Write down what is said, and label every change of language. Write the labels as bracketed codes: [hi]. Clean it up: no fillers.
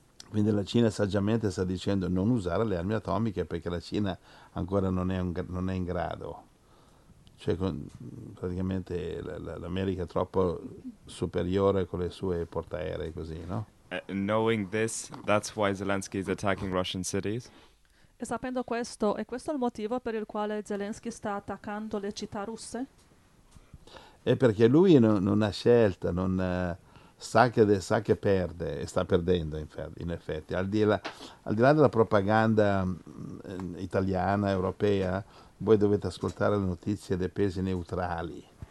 [it] Quindi la Cina saggiamente sta dicendo non usare le armi atomiche perché la Cina ancora non è in grado. Cioè, praticamente l'America è troppo superiore con le sue portaerei così, no? [en] Knowing this, that's why Zelensky is attacking Russian cities. [it] E sapendo questo, è questo il motivo per il quale Zelensky sta attaccando le città russe? È perché lui non ha scelta, non sa che perde e sta perdendo in effetti. Al di là della propaganda italiana, europea, voi dovete ascoltare le notizie dei paesi neutrali.